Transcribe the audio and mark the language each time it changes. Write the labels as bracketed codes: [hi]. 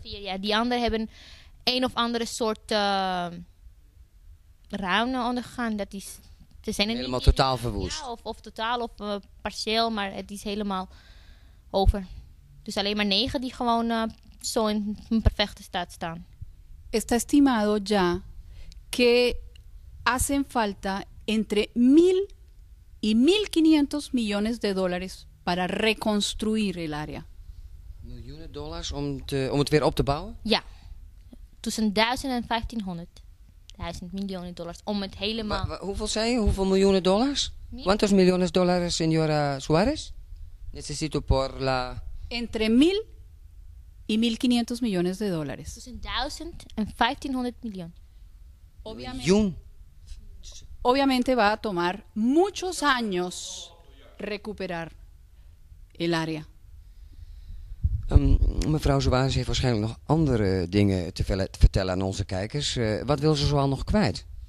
[nl] Ja, die anderen hebben een of andere soort ruimte ondergaan. Dat is... Ze zijn helemaal niet, totaal verwoest. Ja, of totaal of partieel, maar het is helemaal over. Dus alleen maar 9 die gewoon zo in een perfecte staat staan. [es] Está estimado ya que hacen falta entre 1.000 y 1.500 millones de dólares para reconstruir el área. [nl] Miljoenen dollars om het weer op te bouwen? Ja, tussen 1.000 en 1.500. 1000 miljoenen dollars om het helemaal. Hoeveel zei je? Hoeveel miljoenen dollars? [es] ¿Cuántos millones dólares, señora Suárez? Necesito por la. Entre 1000 y 1500 millones de dólares. [nl] Tussen 1000 en 1500 miljoen. [es] Obviamente va a tomar muchos años recuperar el área. [nl] Mevrouw Zwaars heeft waarschijnlijk nog andere dingen te vertellen aan onze kijkers. Wat wil ze zoal nog kwijt?